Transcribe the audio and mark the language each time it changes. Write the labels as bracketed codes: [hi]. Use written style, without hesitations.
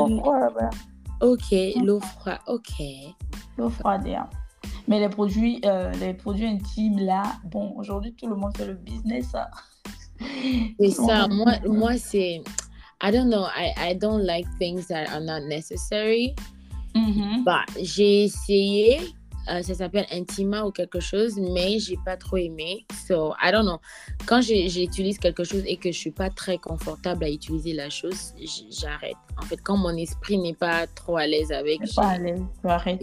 [fr] C'est trop froid. Ok, l'eau froide, ok. L'eau froide, hein. Mais les produits intimes, là, bon, aujourd'hui, tout le monde fait le business. Hein. C'est ça. Moi, c'est... [en] I don't know. I don't like things that are not necessary. [fr] Mm-hmm. But j'ai essayé. Ça s'appelle Intima ou quelque chose, mais j'ai pas trop aimé. [en] So, I don't know. [fr] Quand j'utilise quelque chose et que je suis pas très confortable à utiliser la chose, j'arrête. En fait, quand mon esprit n'est pas trop à l'aise avec... Pas à l'aise, tu arrêtes.